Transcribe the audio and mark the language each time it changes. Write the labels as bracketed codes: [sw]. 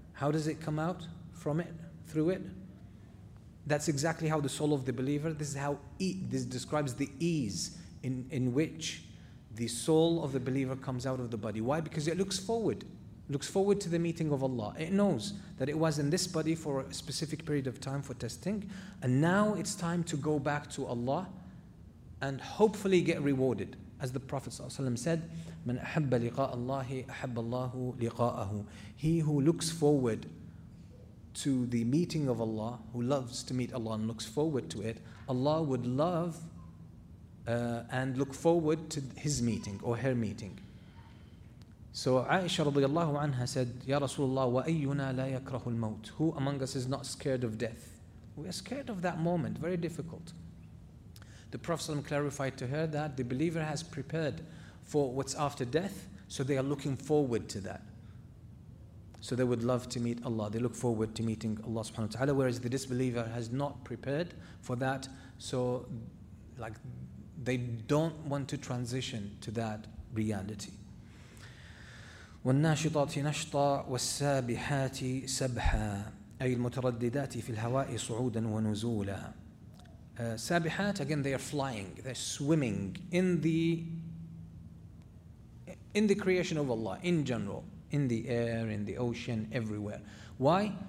[en] How does it come out from it, through it? That's exactly how the soul of the believer, this describes the ease in which the soul of the believer comes out of the body. Why? Because it looks forward. Looks forward to the meeting of Allah. It knows that it was in this body for a specific period of time for testing, and now it's time to go back to Allah and hopefully get rewarded. As the Prophet ﷺ said, [ar] مَنْ أَحَبَّ لِقَاءَ اللَّهِ أَحَبَّ اللَّهُ لِقَاءَهُ. [en] He who looks forward to the meeting of Allah, who loves to meet Allah and looks forward to it, Allah would love and look forward to his meeting or her meeting. So Aisha radiallahu anha said, [ar] Ya Rasulullah, wa ayyuna la yakrahu al-maut? [en] Who among us is not scared of death? We are scared of that moment, very difficult. The Prophet ﷺ clarified to her that the believer has prepared for what's after death, so they are looking forward to that. So they would love to meet Allah, they look forward to meeting Allah subhanahu wa ta'ala, whereas the disbeliever has not prepared for that, so like they don't want to transition to that reality. [ar] والناشطات نشطا والسابحات سبحا أي المترددات في الهواء صعودا ونزولا. [en] سابحات, again, they are flying, they're swimming in the creation of Allah, in general, in the air, in the ocean, everywhere. Why?